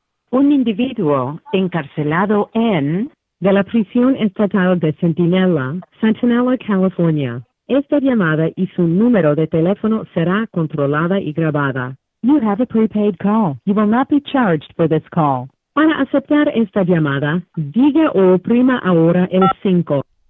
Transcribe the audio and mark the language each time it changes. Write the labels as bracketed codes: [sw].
[es] Un individuo encarcelado en de la prisión estatal de Centinela, Centinela, California. Esta llamada y su número de teléfono será controlada y grabada. [en] You have a prepaid call. You will not be charged for this call. [es] Para aceptar esta llamada, diga o oprima ahora el 5.